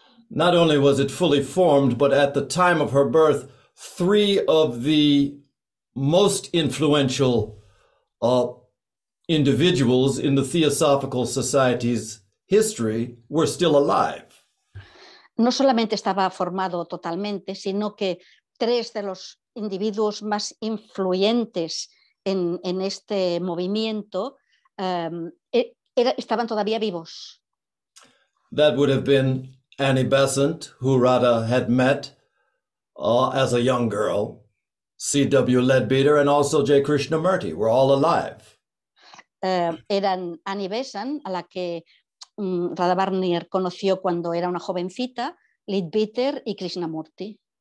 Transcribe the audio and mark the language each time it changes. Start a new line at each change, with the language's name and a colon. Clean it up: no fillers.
English: Not only was it fully formed, but at the time of her birth, three of the most influential individuals in the Theosophical Society's history were still alive.
Spanish: No solamente estaba formado totalmente, sino que tres de los individuos más influyentes en este movimiento estaban todavía vivos.
English: That would have been Annie Besant, who Rada had met as a young girl, C.W. Leadbeater, and also J. Krishnamurti were all alive.
Spanish: Eran Annie Besant, a la que Rada Bernier conoció cuando era una jovencita, Leadbeater y Krishnamurti.